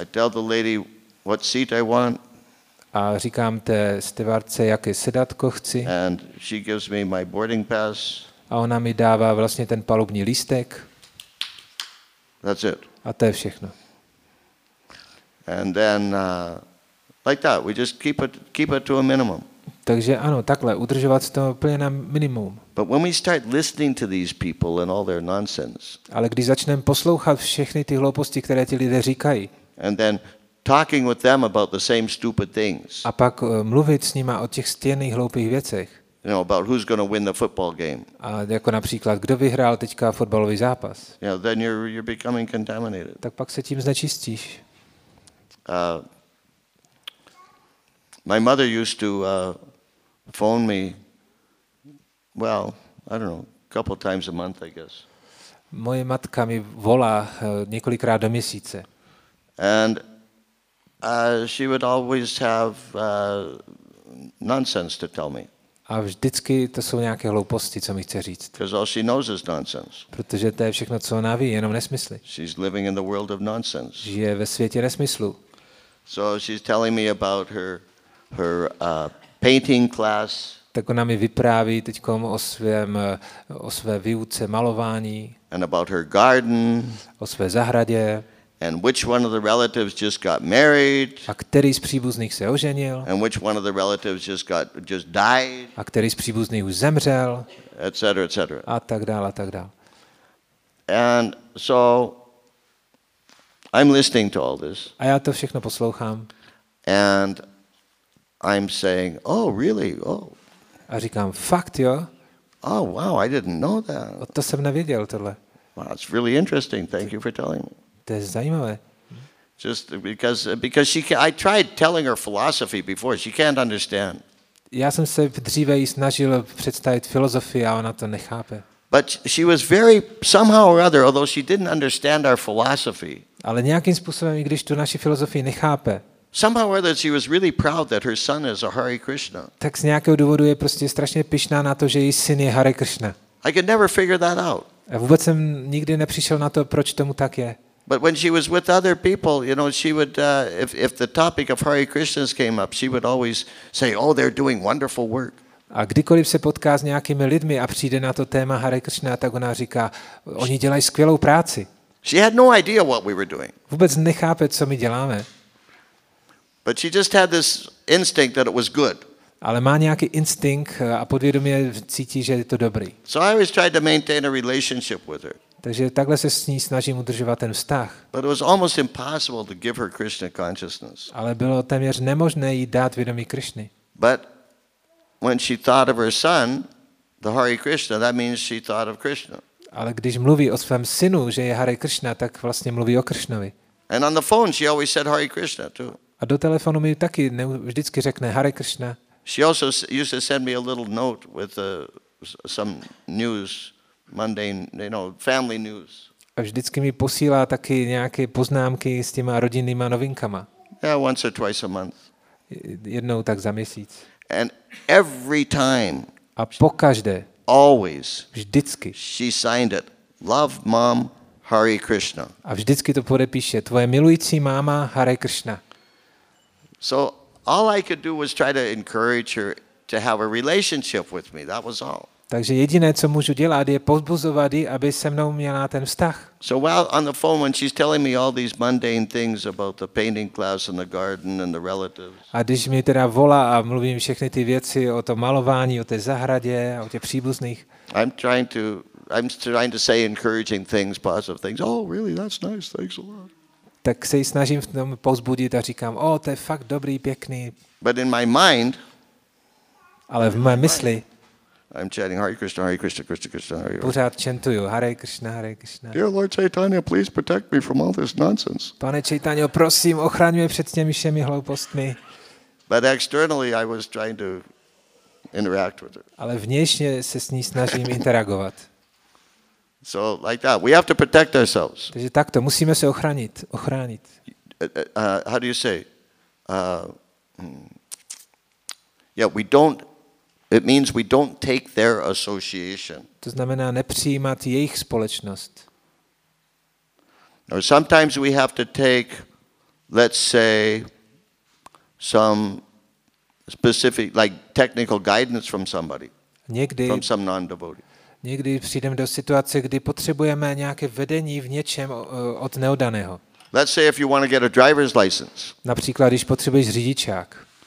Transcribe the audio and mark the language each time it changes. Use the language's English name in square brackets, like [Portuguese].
[English] I tell the lady what seat I want. [Czech] A říkám té stewardce, jaké sedadlo chci. [English] And she gives me my boarding pass. [Czech] A ona mi dává vlastně ten palubní lístek. [English] That's it. [Czech] A to je všechno. [English] And then like that, we just keep it to a minimum. [Czech] Takže ano, takhle udržovat to úplně na minimum. [English] But when we start listening to these people and all their nonsense. [Czech] Ale když začneme poslouchat všechny ty hlouposti, které ti lidé říkají. [English] And then talking with them about the same stupid things. [Czech] A pak mluvit s nima o těch stejných hloupých věcech. [English] You know, about who's going to win the football game. [Czech] A jako například kdo vyhrál teďka fotbalový zápas. [English] You know, then you're becoming contaminated. [Czech] Tak pak se tím znečistíš. [English] My mother used to phone me, well, I don't know, a couple times a month, I guess. [Czech] Moje matka mi volá několikrát do měsíce. [English] And she would always have nonsense to tell me. [Czech] A vždycky to jsou nějaké hlouposti, co mi chce říct. [English] Because all she knows is nonsense. [Czech] Protože to je všechno, co ona ví, jenom nesmysly. [English] She's living in the world of nonsense. [Czech] Žije ve světě nesmyslu. [English] So she's telling me about her painting class. [Czech] Tak ona mi vypráví teďkom o své výuce malování. [English] And about her garden. [Czech] O své zahradě. [English] And which one of the relatives just got married. [Czech] A který z příbuzných se oženil. [English] And which one of the relatives just died. [Czech] A který z příbuzných už zemřel. [English] Et cetera, et cetera. [Czech] A tak dál, a tak dál. [English] And so I'm listening to all this. [Czech] A já to všechno poslouchám. [English] And I'm saying, oh, really? Oh. [Czech] A říkám, fakt, jo? [English] Oh, wow, I didn't know that. [Czech] O to jsem nevěděl, tohle. [English] Wow, it's really interesting. Thank you for telling me. [Czech] To je zajímavé. [English] Just because she can, I tried telling her philosophy before, she can't understand. [Czech] Já jsem se dříve jí snažil představit filozofii, a ona to nechápe. [English] But she was very somehow or other, although she didn't understand our philosophy. [Czech] Ale nějakým způsobem, i když tu naši filozofii nechápe. [English] Somehow or other, she was really proud that her son is a Hare Krishna. [Czech] Tak z nějakého důvodu je prostě strašně pyšná na to, že její syn je Hare Krishna. [English] I could never figure that out. [Czech] A vůbec jsem nikdy nepřišel na to, proč tomu tak je. [English] But when she was with other people, you know, she would if the topic of Hare Krishnas came up, she would always say, "Oh, they're doing wonderful work." [Czech] A kdykoliv se potká s nějakými lidmi a přijde na to téma Hare Krishna, tak ona říká, oni dělají skvělou práci. [English] She had no idea what we were doing. [Czech] Vůbec nechápe, co my děláme. [English] But she just had this instinct that it was good. [Czech] Ale má nějaký instinkt a podvědomě cítí, že je to dobrý. [English] So I always tried to maintain a relationship with her. [Czech] Takže takhle se s ní snažím udržovat ten vztah. [English] But it was almost impossible to give her Krishna consciousness. [Czech] Ale bylo téměř nemožné jí dát vědomí Krishny. [English] But when she thought of her son, the Hare Krishna, that means she thought of Krishna. [Czech] Ale když mluví o svém synu, že je Hare Krishna, tak vlastně mluví o Krishnovi. [English] And on the phone she always said Hare Krishna too. [Czech] A do telefonu mi taky vždycky řekne Hare Krishna. [English] She also used to send me a little note with some news, mundane, you know, family news. [Czech] A vždycky mi posílá taky nějaké poznámky s těma rodinnýma novinkama. [English] Yeah, once or twice a month. [Czech] Jednou tak za měsíc. [English] And every time, [Czech] a pokaždé, [English] always, [Czech] vždycky, [English] she signed it, "Love, Mom, Hare Krishna." [Czech] A vždycky to podepíše, "Tvoje milující máma, Hare Krishna." [English] So all I could do was try to encourage her to have a relationship with me. That was all. [Czech] Takže jediné, co můžu dělat, je povzbuzovat ji, aby se mnou měla ten vztah. [English] So while on the phone when she's telling me all these mundane things about the painting class and the garden and the relatives. [Czech] A když mi teda volá a mluvím všechny ty věci o tom malování, o té zahradě, o těch příbuzných. [English] I'm trying to say encouraging things, positive things. Oh, really? That's nice. Thanks a lot. [Czech] Tak se jí snažím v tom povzbudit a říkám: "Oh, to je fakt dobrý, pěkný." [English] But in my mind. [Czech] Ale v mé mysli. [English] I'm chanting Hare Krishna, Hare Krishna, Krishna Krishna, Hare Krishna. [Czech] Pořád chantuju Hare Krishna, Hare Krishna. [English] Dear Lord Chaitanya, please protect me from all this nonsense. [Czech] Pane Chaitanyo, prosím, ochraň mě před těmi všemi hloupostmi. [English] But externally I was trying to interact with her. [Czech] Ale vnitřně se s ní snažím interagovat. [English] So like that, we have to protect ourselves. [Czech] Takže takto, musíme se ochránit, ochránit. [English] How do you say? Yeah, we don't. It means we don't take their association. [Czech] To znamená nepřijímat jejich společnost. [English] Now sometimes we have to take, let's say, some specific, like technical guidance from somebody, [Czech] někdy, [English] from some non-devotee. [Czech] Někdy přijdeme do situace, kdy potřebujeme nějaké vedení v něčem od neodaného. [English] Let's say if you want to get a driver's license. [Czech] Například, když potřebuješ řidičák.